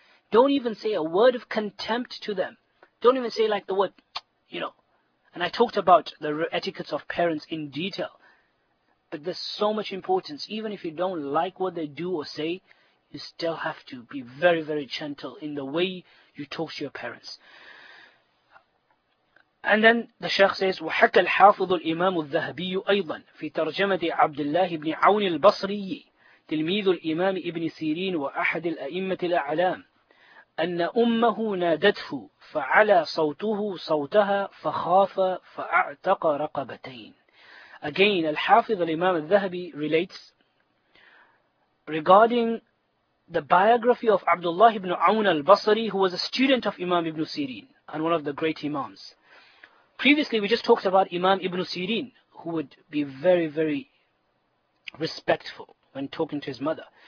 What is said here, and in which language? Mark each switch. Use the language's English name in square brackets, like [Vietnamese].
[English] Don't even say a word of contempt to them. Don't even say like the word, you know. And I talked about the etiquettes of parents in detail. But there's so much importance. Even if you don't like what they do or say, you still have to be very, very gentle in the way you talk to your parents. And then the Shaykh says, [Arabic] وَحَكَى الْحَافِظُ الْإِمَامُ الذَّهَبِيُّ أَيْضًا فِي تَرْجَمَةِ عَبْدِ اللَّهِ بْنِ عَوْنِ الْبَصْرِيِّ تِلْمِيذُ الْإِمَامِ إِبْنِ سِيرِينَ وَأَحَدِ الْأَئِمَّةِ الْأَعْلَامِ أن أمه نادته فعلى صوته صوتها فخاف فأعتق رقبتين. [English] Again, Al-Hafidh Al-Imam Al-Dhahabi relates regarding the biography of Abdullah ibn Awn Al-Basri, who was a student of Imam ibn Sirin and one of the great Imams. Previously, we just talked about Imam ibn Sirin, who would be very, very respectful when talking to his mother.